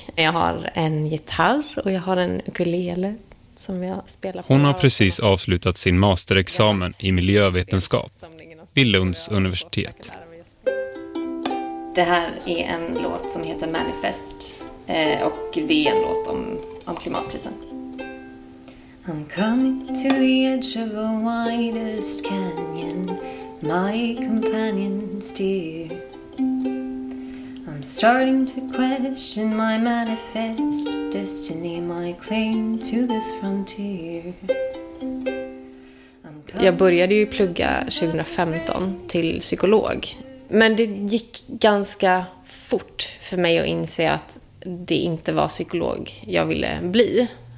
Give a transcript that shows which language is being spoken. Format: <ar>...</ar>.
<sv>Jag har en gitarr och jag har en ukulele som jag spelar på. Hon har precis avslutat sin masterexamen i miljövetenskap vid Lunds universitet. Det här är en låt som heter Manifest. Och det är en låt om klimatkrisen.</sv> <en>I'm coming to the edge of the widest canyon, my companion's dear. I'm starting to question my manifest destiny, my claim to this frontier.</en> <sv>Jag började ju plugga 2015 till psykolog. Men det gick ganska fort för mig att inse att det inte var psykolog jag ville bli.</sv>